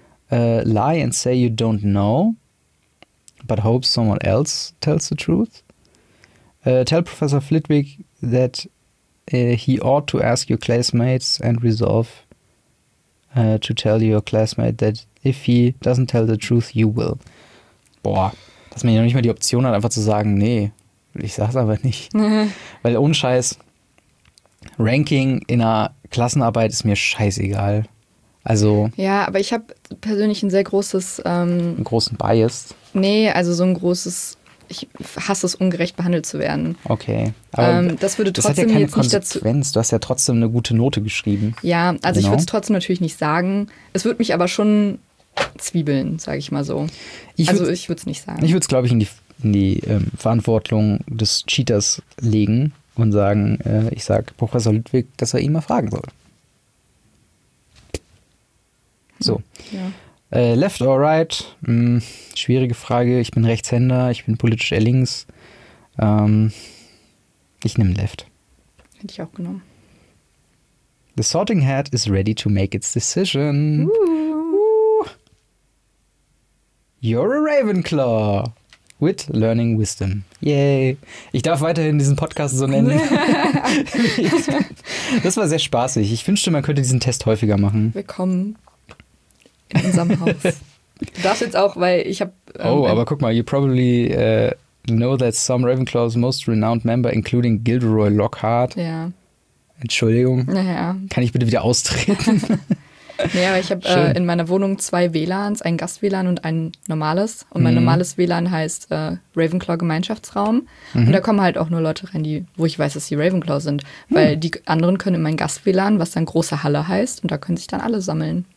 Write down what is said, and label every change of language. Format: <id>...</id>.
<en>Lie and say you don't know, but hope someone else tells the truth. Tell Professor Flitwick that he ought to ask your classmates and resolve to tell your classmate that if he doesn't tell the truth, you will.</en> <de>Boah, dass man ja noch nicht mal die Option hat, einfach zu sagen, nee, ich sag's aber nicht. Weil ohne Scheiß, Ranking in einer Klassenarbeit ist mir scheißegal. Also. Ja, aber ich habe persönlich ein sehr großes... einen großen Bias? Nee, also so ein großes... Ich hasse es, ungerecht behandelt zu werden. Okay. Aber das würde trotzdem jetzt nicht dazu... Das hat ja keine Konsequenz. Du hast ja trotzdem eine gute Note geschrieben. Ja, also genau. Ich würde es trotzdem natürlich nicht sagen. Es würde mich aber schon zwiebeln, sage ich mal so. Ich würde es nicht sagen. Ich würde es, glaube ich, in die Verantwortung des Cheaters legen und sagen, ich sage Professor Ludwig, dass er ihn mal fragen soll. So. Ja.</de> <en>Left or right?</en> <de>Schwierige Frage. Ich bin Rechtshänder, ich bin politisch eher links. Ich nehme left. Hätte ich auch genommen.</de> <en>The Sorting Hat is ready to make its decision. You're a Ravenclaw. With learning wisdom. Yay.</en> <de>Ich darf weiterhin diesen Podcast so nennen. Das war sehr spaßig. Ich wünschte, man könnte diesen Test häufiger machen. Willkommen in unserem Haus. Du darfst jetzt auch, weil ich habe... aber guck mal,</de> <en>you probably know that some Ravenclaw's most renowned member, including Gilderoy Lockhart.</en> <de>Ja. Entschuldigung. Naja. Kann ich bitte wieder austreten? Naja, aber ich habe in meiner Wohnung zwei WLANs, ein Gast-WLAN und ein normales. Und mein normales WLAN heißt Ravenclaw-Gemeinschaftsraum. Mhm. Und da kommen halt auch nur Leute rein, wo ich weiß, dass sie Ravenclaw sind. Mhm. Weil die anderen können in mein Gast-WLAN, was dann große Halle heißt. Und da können sich dann alle sammeln.</de>